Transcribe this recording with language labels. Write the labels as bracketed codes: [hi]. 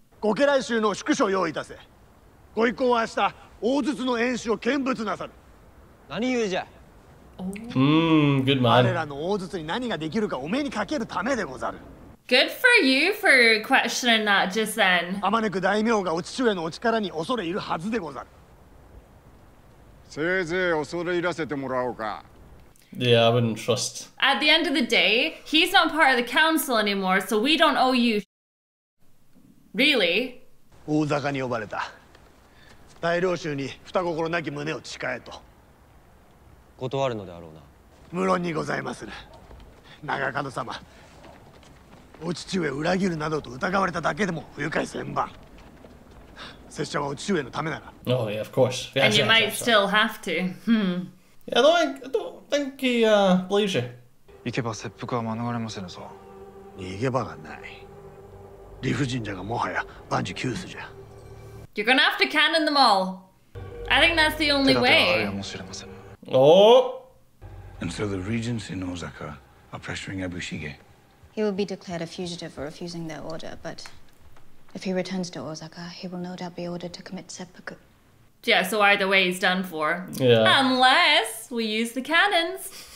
[ja] ご家来衆の宿所を用意いたせ。ご一行は明日、大筒の演習を見物なさる。何故じゃ。 [en] Good man. [ja] 我らの大筒に何ができるかお目にかけるためでござる。 [en] Good for you for questioning that just then. [ja] あまねく大名がお父上のお力に恐れいるはずでござる。せいぜい恐れいらせてもらおうか。 [en] Yeah, I wouldn't trust. At the end of the day, he's not part of the council anymore, so we don't owe you. Really? [ja] 大坂に呼ばれた。大領衆に双心なき胸を誓えと。断るのであろうな。無論にございまする。長門様、お父上を裏切るなどと疑われただけでも不愉快千万。拙者はお父上のためなら。 [en] Oh yeah, of course. Yeah, and you might still have to. Yeah, I don't think he believes you. [ja] 行けば切腹は免れませぬぞ。逃げ場がない。理不尽じゃがもはや万事休すじゃ。 [en] You're gonna have to cannon them all. I think that's the only way. [ja] 手立てはあるやもしれません。 Oh! [en] And so the regents in Osaka are pressuring Abushige. He will be declared a fugitive for refusing their order, but If he returns to Osaka, he will no doubt be ordered to commit seppuku. Yeah, so either way, he's done for. Yeah. Unless we use the cannons.